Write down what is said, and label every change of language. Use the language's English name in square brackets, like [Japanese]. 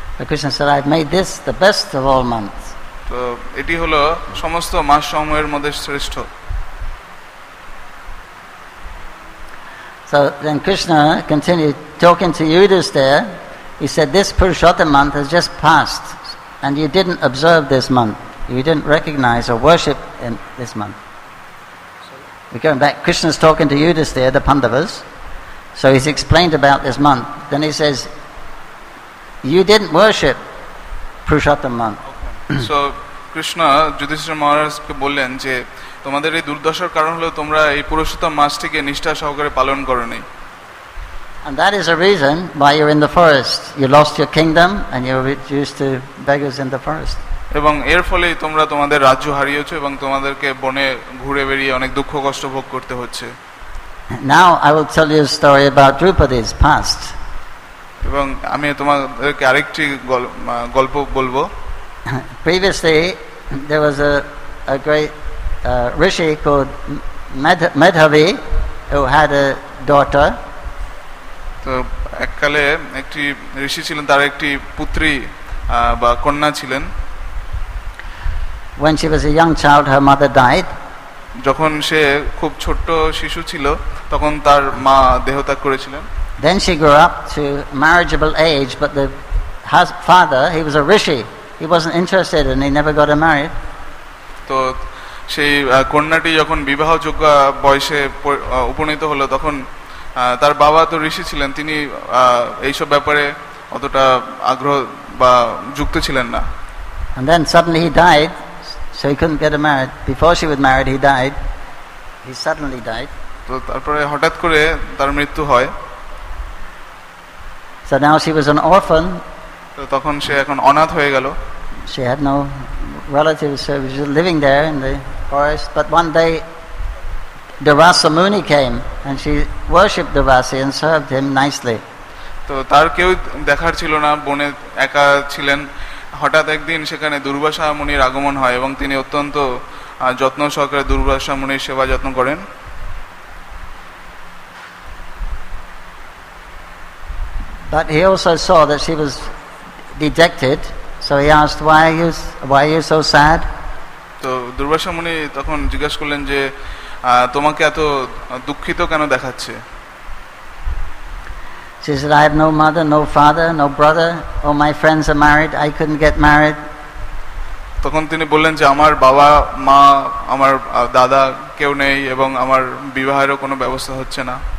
[English] Krishna said, I've made this the best of all months. [Bangla] তো এটি হলো সমস্ত মাস সমূহের মধ্যে শ্রেষ্ঠ. [English] So then Krishna continued talking to Yudhisthira. He said, this Purushottam month has just passed and you didn't observe this month. You didn't recognize or worship in this month. We're going back. Krishna's talking to Yudhisthira, the Pandavas. So he's explained about this month. Then he says, you didn't worship Purushottam month. So Krishna, [Bangla] Yudhisthira Maharaj ke bollen je, তোমাদের এই দুর্দশার কারণ হলো তোমরা এই পুরুষোত্তম মাসটিকে নিষ্ঠা সহকারে পালন করোনি. [English] And that is a reason why you're in the forest. You lost your kingdom and you're reduced to beggars in the forest. [Bangla] এবং এর ফলে তোমরা তোমাদের রাজ্য হারিয়েছো এবং তোমাদেরকে বনে ঘুরে বেরিয়ে অনেক দুঃখ কষ্ট ভোগ করতে হচ্ছে. [English] Now I will tell you a story about Drupadi's past. [Bangla] এবং আমি তোমাদেরকে আরেকটি গল্প বলবো. [English] Previously there was a great rishi called Madhavi who had a daughter. [Bangla] তো এককালে একটি ঋষি ছিলেন, তার একটি পুত্রী বা কন্যা ছিলেন. [English] When she was a young child, her mother died. [Bangla] যখন সে খুব ছোট শিশু ছিল তখন তার মা দেহত্যাগ করেছিলেন. [English] Then she grew up to marriageable age, but the father, he was a rishi, he wasn't interested and he never got her married. [Bangla] তো সেই কন্যাটি যখন বিবাহযোগ্য বয়সে উপনীত হলো তখন তার বাবা তো ঋষি ছিলেন, তিনি এইসব ব্যাপারে অতটা আগ্রহ বা যুক্ত ছিলেন না. [English] And then suddenly he died. So he couldn't get married. Before she was married, he died. He suddenly died. [Bangla] তো তারপরে হঠাৎ করে তার মৃত্যু হয়. [English] So now she was an orphan. [Bangla] তো তখন সে এখন অনাথ হয়ে গেল. [English] She had no relatives, so she was living there in the forest. But one day Durvasa Muni came and she worshipped Durvasa and served him nicely. [Bangla] তো তার কেউ দেখার ছিল না, বনে একা ছিলেন. হঠাৎ একদিন সেখানে দুর্বাসা মুনির আগমন হয় এবং তিনি অত্যন্ত যত্ন সহকারে দুর্বাসা মুনির সেবা যত্ন করেন. [English] But he also saw that she was dejected, so he asked why are you so sad. [Bangla] তো দুর্বাসা মুনি তখন জিজ্ঞেস করলেন যে তোমাকে এত দুঃখিত কেন দেখাচ্ছে. [English] She said, I have no mother, no father, no brother. All my friends are married. I couldn't get married. [Bangla] তখন তিনি বললেন যে আমার বাবা মা আমার দাদা কেউ নেই এবং আমার বিবাহেরও কোনো ব্যবস্থা হচ্ছে না.